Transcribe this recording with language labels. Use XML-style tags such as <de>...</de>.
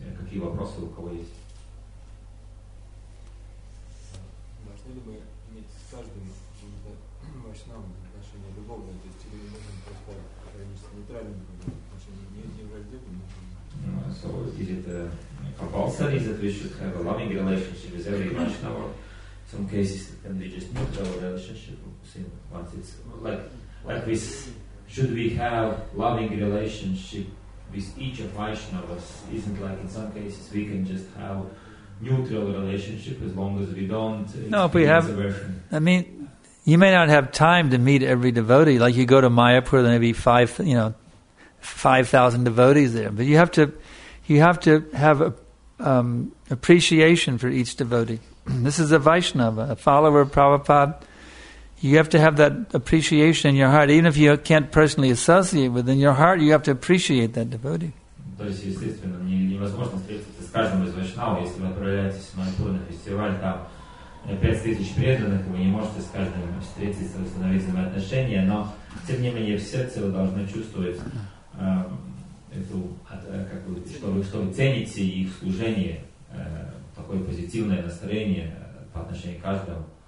<ru>Какие вопросы у кого есть? Должны ли мы с каждым вайшнавом отношения любовные, то есть или можно просто хранить нейтральным отношением, не враждебным.</ru> <en>So is it compulsory that we should have a loving relationship with every Vaishnava? Some cases can be just neutral relationship, same once it's like we should we have loving relationship with each of Vaishnavas? Isn't like in some cases we can just have neutral relationship as long as we don't. No, if we have. You may not have time to meet every devotee. Like you go to Mayapur, there may be 5,000 devotees there. But you have to have appreciation for each devotee. This is a Vaishnava, a follower of Prabhupada. You have to have that appreciation in your heart. Even if you can't personally associate with, in your heart, you have to appreciate that devotee.</en> <ru>То есть, естественно, невозможно встретиться с каждым из Вайшнава, если вы отправляетесь в Майпур на фестиваль, там 5000 преданных, вы не можете с каждым встретиться, установить взаимоотношения, но, тем не менее, в сердце вы должны чувствовать что вы цените их служение, такое позитивное настроение по отношению к каждому.</ru>